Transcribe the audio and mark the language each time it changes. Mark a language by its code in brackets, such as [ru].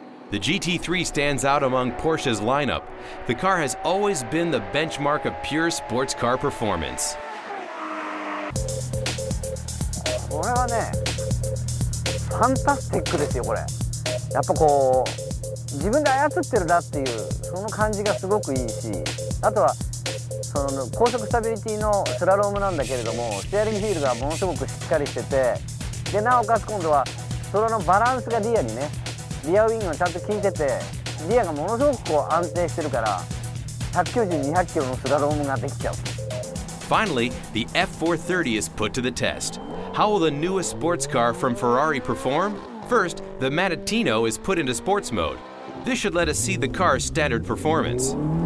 [en] The GT3 stands out among Porsche's lineup. The car has always been the benchmark of pure sports car performance. [ja] これはね、ファンタスティックですよ、これ。やっぱこう、自分で操ってるなっていう、その感じがすごくいいし、あとは、その高速スタビリティのスラロームなんだけれども、ステアリングフィールドはものすごくしっかりしてて、でなおかつ今度はそのバランスがリアにね、リアウィングがちゃんと効いてて、リアがものすごくこう安定してるから190-200キロのスラロームができちゃう。 [en] Finally, the F430 is put to the test. How will the newest sports car from Ferrari perform? First, the Mattutino is put into sports mode. This should let us see the car's standard performance.